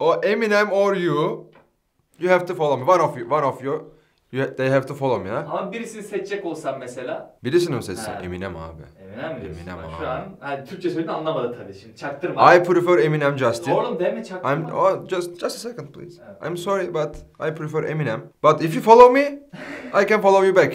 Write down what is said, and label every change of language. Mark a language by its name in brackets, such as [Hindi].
[English] Eminem or you. You have to follow me. One of you. They have to follow me ya. [Turkish] Ama birisini seçecek olsam mesela. Birisini mi seçsen? Eminem abi. Eminem abi. Şu an hani Türkçe söyledi anlamadı tabii şimdi. Çaktırma. [English] I prefer Eminem Justin. [Turkish] Oğlum deme çaktırma. [English] I'm oh, just a second please. Evet. I'm sorry but I prefer Eminem. But if you follow me, I can follow you back.